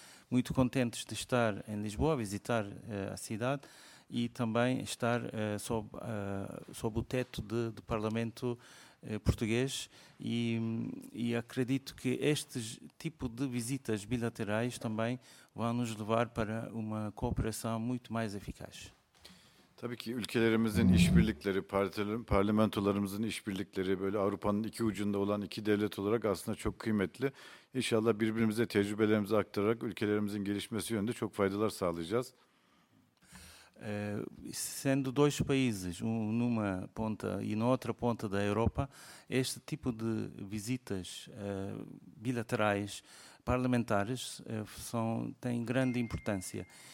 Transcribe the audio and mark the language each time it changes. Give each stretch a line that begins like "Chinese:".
Portuguese: Muito contentes de estar em Lisboa, visitar a cidade e também estar sob o teto do Parlamento português. E acredito que este tipo de visitas bilaterais também vão nos levar para uma cooperação muito mais eficaz.
Turkish: Tabii ki ülkelerimizin işbirlikleri, parlamentolarımızın işbirlikleri, böyle Avrupa'nın iki ucunda olan iki devlet olarak aslında çok kıymetli. İnşallah birbirimize tecrübelerimizi aktararak ülkelerimizin gelişmesi yönünde çok faydalar sağlayacağız.
Portuguese: Sendo dois países, numa ponta e na outra ponta da Europa, este tipo de visitas bilaterais, parlamentares, têm grande importância.